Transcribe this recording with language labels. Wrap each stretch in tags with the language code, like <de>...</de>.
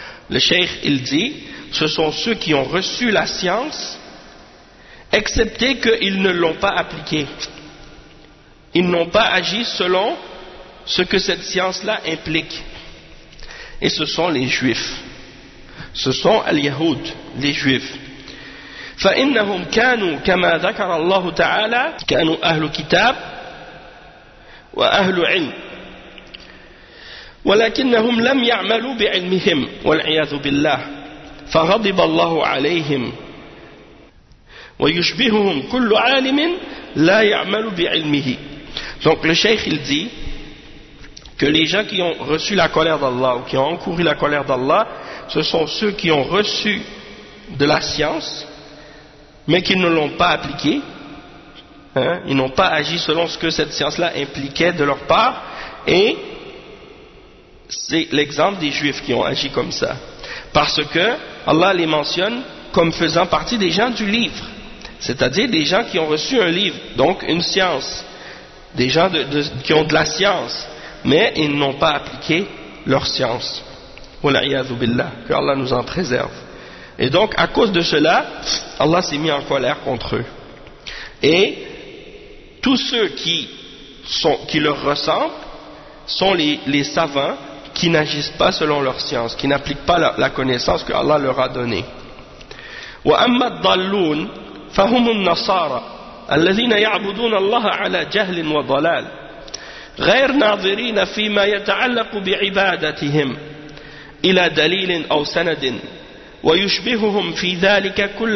<fr>Le cheikh, il dit, ce sont ceux qui ont reçu la science, excepté qu'ils ne l'ont pas appliquée. Ils n'ont pas agi selon ce que cette science-là implique. Et ce sont les juifs. Ce sont al-yahoud, les juifs.</fr> <ar>فَإِنَّهُمْ كَانُوا كَمَا ذَكَرَ اللَّهُ تَعَالَى كَانُوا أَهْلُ كِتَابٍ وَأَهْلُ عِلْمٍ ولكنهم لم يعملوا بعلمهم والعياذ بالله فغضب الله عليهم ويشبههم كل عالم لا يعمل بعلمه.</ar> <fr>Donc le cheikh il dit que les gens qui ont reçu la colère d'Allah ou qui ont encouru la colère d'Allah, ce sont ceux qui ont reçu de la science mais qui ne l'ont pas appliquée, hein? Ils n'ont pas agi selon ce que cette science-là impliquait de leur part, et c'est l'exemple des juifs qui ont agi comme ça. Parce que Allah les mentionne comme faisant partie des gens du livre. C'est-à-dire des gens qui ont reçu un livre, donc une science. Des gens qui ont de la science. Mais ils n'ont pas appliqué leur science.</fr> <ar>Wal'iyadhu billah.</ar> <fr>Que Allah nous en préserve. Et donc, à cause de cela, Allah s'est mis en colère contre eux. Et tous ceux qui leur ressemblent sont les savants qui n'agissent pas selon leur science, qui n'appliquent pas la connaissance que Allah leur a donnée.</fr> <ar>وَأَمَّا الضَّلُّونَ فَهُمُ النَّصَارَى الَّذِينَ يَعْبُدُونَ اللَّهَ عَلَى جَهْلٍ وَضَلَالٍ غَيْرْ نَاظِرِينَ فِي مَا يَتَعَلَّقُ بِعِبَادَتِهِمْ إِلَى دَلِيلٍ أَوْ سَنَدٍ وَيُشْبِهُهُمْ فِي ذَلِكَ</ar>